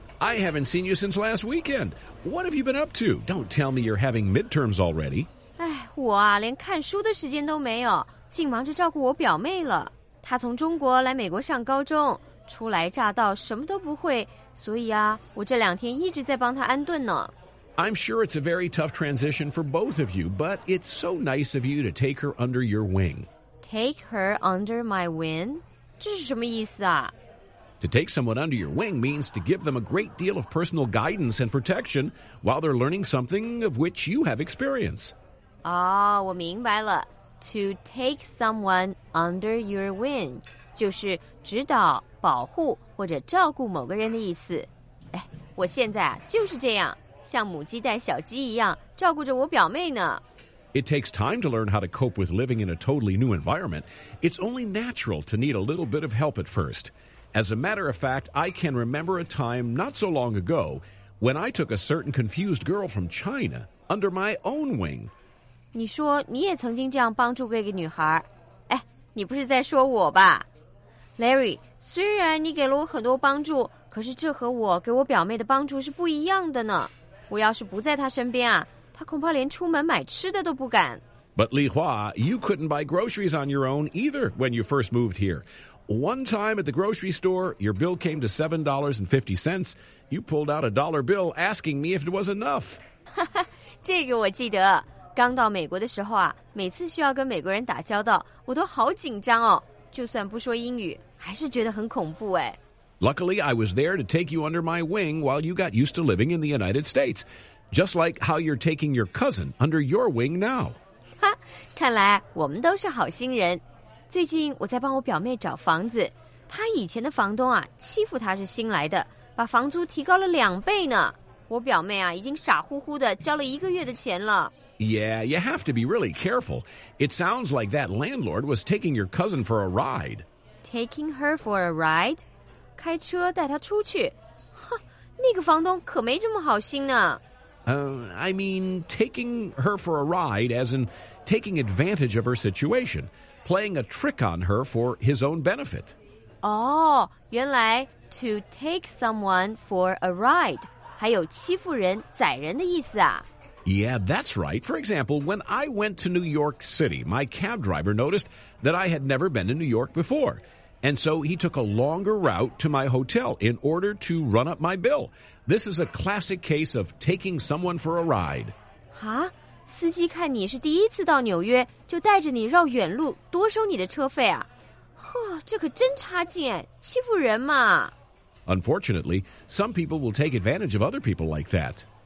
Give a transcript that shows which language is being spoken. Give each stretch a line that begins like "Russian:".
English: I haven't seen you since last weekend. What have you been up to? Don't tell me you're having midterms already.
Chinese: 哎，我啊，连看书的时间都没有，竟忙着照顾我表妹了。她从中国来美国上高中，初来乍到，什么都不会，所以啊，我这两天一直在帮他安顿呢。
English: I'm sure it's a very tough transition for both of you, but it's so nice of you to take her under your wing. Take her under my wing?
Chinese: 这是什么意思啊？
English: To take someone under your wing means to give them a great deal of personal guidance and protection while they're learning something of which you have experience.
Chinese: 哦，我明白了。
English: To take someone under your wing
Chinese: 就是指导保护或者照顾某个人的意思。哎，我现在啊就是这样，像母鸡带小鸡一样照顾着我表妹呢。
English: It takes time to learn how to cope with living in a totally new environment. It's only natural to need a little bit of help at first. As a matter of fact, I can remember a time not so long ago when I took a certain confused girl from China under my own wing.
Chinese: 你说你也曾经这样帮助过一个女孩，哎，你不是在说我吧？ Larry, 虽然你给了我很多帮助，可是这和我给我表妹的帮助是不一样的呢。我要是不在她身边啊，她恐怕连出门买吃的都不敢。
English: But Li Hua, you couldn't buy groceries on your own either when you first moved here. One time at the grocery store, your bill came to $7.50. You pulled out a dollar bill asking me if it was enough.
Chinese: 这个我记得。刚到美国的时候啊，每次需要跟美国人打交道，我都好紧张哦。就算不说英语，还是觉得很恐怖哎。
English: Luckily, I was there to take you under my wing while you got used to living in the United States, just like how you're taking your cousin under your wing now.
Chinese: 哈，看来我们都是好心人。最近我在帮我表妹找房子，他以前的房东啊，欺负他是新来的，把房租提高了两倍呢。我表妹啊，已经傻乎乎的交了一个月的钱了。
English: Yeah, you have to be really careful. It sounds like that landlord was taking your cousin for a ride. Taking her for a ride?
Chinese: 开车带她出去？哼，那个房东可没这么好心呢。
English: I mean, taking her for a ride as in taking advantage of her situation, playing a trick on her for his own benefit.
Chinese: Oh, 原来
English: to take someone for a ride
Chinese: 还有欺负人、宰人的意思啊。
English: Yeah, that's right. For example, when I went to New York City, my cab driver noticed that I had never been to New York before. And so he took a longer route to my hotel in order to run up my bill. This is a classic case of taking someone for a ride.
Chinese: 啊，司机看你是第一次到纽约，就带着你绕远路，多收你的车费啊。呵，这可真差劲哎，欺负人嘛。
English: Unfortunately, some people will take advantage of other people like that.